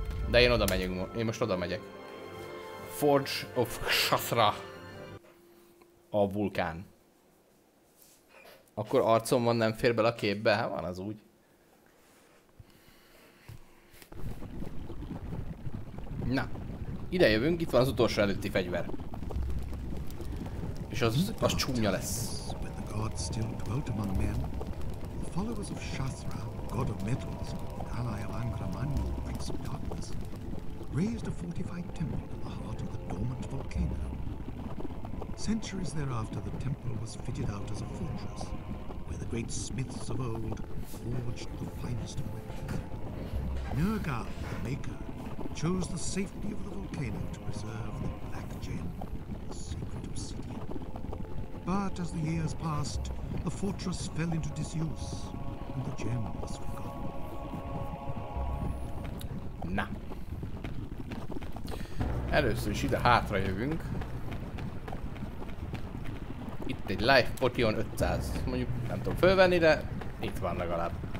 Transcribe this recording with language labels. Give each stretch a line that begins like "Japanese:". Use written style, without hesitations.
Hungarian: De én oda megyek, én most oda megyek. Forge of Shatra. A vulkán. Akkor arcom van, nem fér bele a képbe? Hát van az úgy. Na, ide jövünk, itt van az utolsó előtti fegyver. És az, az csúnya lesz.
English: When the gods still dwelt among men, the followers of Shathra, god of metals, an ally of Angra-Manyu, prince of darkness, raised a fortified temple in the heart of the dormant volcano. Centuries thereafter, the temple was fitted out as a fortress, where the great smiths of old forged the finest of weapons. Nergal, the maker, chose the safety of the volcano to preserve the black gem, the sacred obsidian. But as the years passed, the fortress fell into disuse, and the gem was forgotten.
Hungarian: Na. Először is ide hátra jövünk. Itt egy Life Potion 500. Mondjuk nem tudom fölvenni, de itt van legalább.